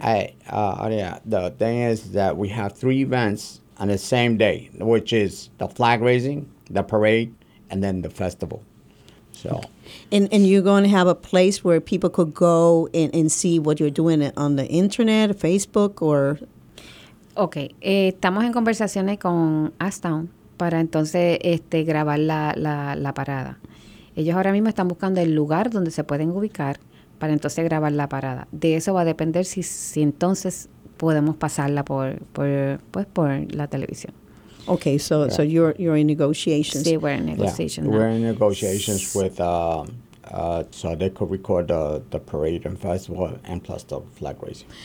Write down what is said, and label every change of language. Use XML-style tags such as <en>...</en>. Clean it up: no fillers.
<en>Hey, the thing is that we have three events on the same day, which is the flag raising, the parade, and then the festival. So, and you're going to have a place where people could go and see what you're doing on the internet, Facebook, or?</en> <es>Okay, estamos en conversaciones con Astown para entonces grabar la parada. Ellos ahora mismo están buscando el lugar donde se pueden ubicar para entonces grabar la parada. De eso va a depender si entonces podemos pasarla por la televisión.</es> <en>Okay, so yeah. So you're in negotiations. Sí, we're in negotiations. Yeah. We're in negotiations with so they could record the parade and festival and plus the flag raising.</en>